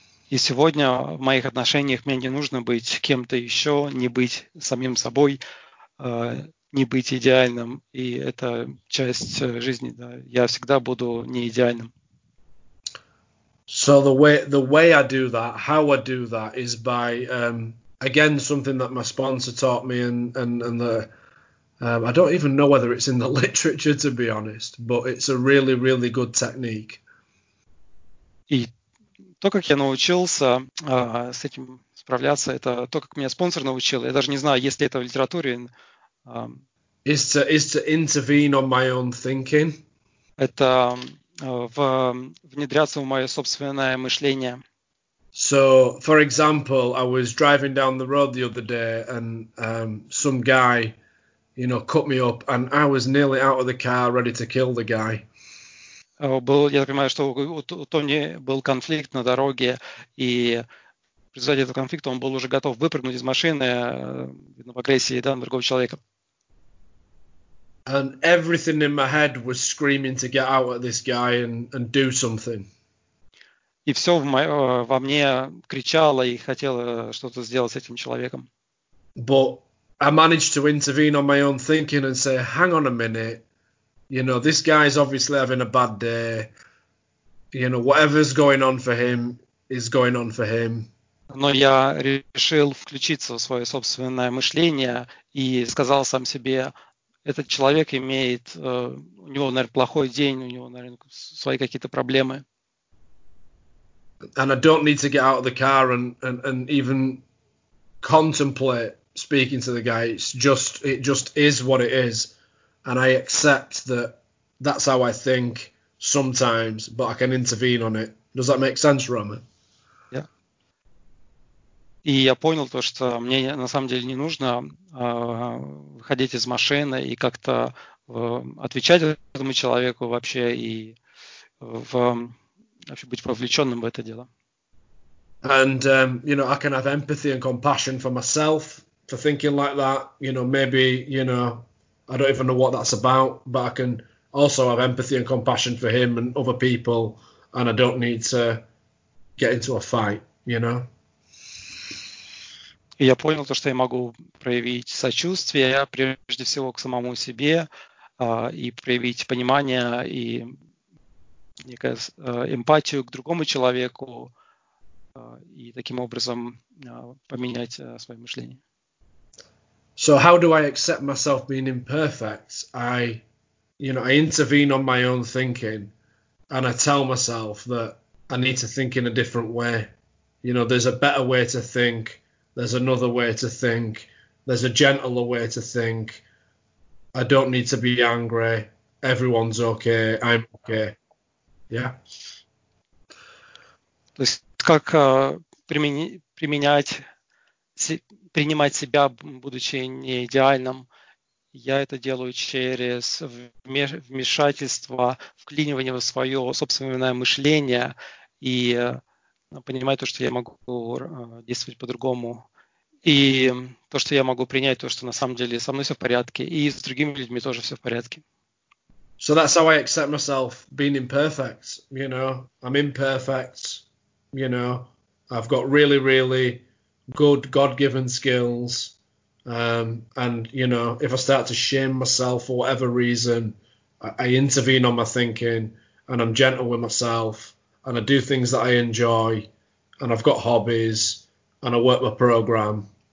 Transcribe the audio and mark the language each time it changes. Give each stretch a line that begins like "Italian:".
Russian: И сегодня в моих отношениях мне не нужно быть кем-то еще, не быть самим собой. Не быть идеальным, и это часть жизни, да. Я всегда буду не идеальным.
English: So the way I do that, how I do that is by again something that my sponsor taught me and the I don't even know whether it's in the literature to be honest, but it's a really, really good technique.
Russian: И то, как я научился с этим справляться, это то, как меня спонсор научил. Я даже не знаю, есть ли это в литературе.
English: Is to intervene on my own thinking.
Russian: Это внедряться в мое собственное мышление.
English: So, for example, I was driving down the road the other day, and some guy, you know, cut me up, and I was nearly out of the car, ready to kill the guy.
Russian: Я понимаю, что у Тони был конфликт на дороге, и в результате этого конфликта он был уже готов выпрыгнуть из машины в агрессии, да, на другого человека.
English: And everything in my head was screaming to get out at this guy and do something.
Russian: И все во мне кричало и хотело что-то сделать с этим человеком.
English: But I managed to intervene on my own thinking and say, hang on a minute, you know, this guy is obviously having a bad day. You know, whatever's going on for him is going on for him.
Russian: Но я решил включиться в свое собственное мышление и сказал сам себе, этот человек имеет, у него, наверное, плохой день, у него, наверное, свои какие-то проблемы.
English: And I don't need to get out of the car and even contemplate speaking to the guy. It just is what it is. And I accept that that's how I think sometimes, but I can intervene on it. Does that make sense, Roman?
Russian: И я понял то, что мне на самом деле не нужно выходить из машины и как-то отвечать этому человеку вообще и вообще быть вовлеченным в это дело.
English: And you know, I can have empathy and compassion for myself for thinking like that. You know, maybe, you know, I don't even know what that's about, but I can also have empathy and compassion for him and other people, and I don't need to get into a fight, you know.
Russian: И я понял то, что я могу проявить сочувствие, прежде всего, к самому себе, и проявить понимание и некую эмпатию к другому человеку, и таким образом поменять свое мышление.
English: So how do I accept myself being imperfect? I, you know, I intervene on my own thinking, and I tell myself that I need to think in a different way. You know, there's a better way to think. There's another way to think. There's a gentler way to think. I don't need to be angry. Everyone's okay. I'm okay. Yeah.
Russian: То есть как применять принимать себя, будучи не идеальным. Я это делаю через вмешательство, вклинивание в свое собственное мышление и понимать то, что я могу действовать по-другому. И то, что я могу принять, то, что на самом деле со мной все в порядке, и с другими людьми тоже все в порядке.
English: So that's how I accept myself, being imperfect, you know. I'm imperfect, you know. I've got really, really good God-given skills. And, you know, if I start to shame myself for whatever reason, I intervene on my thinking and I'm gentle with myself and I do things that I enjoy and I've got hobbies and I work my program.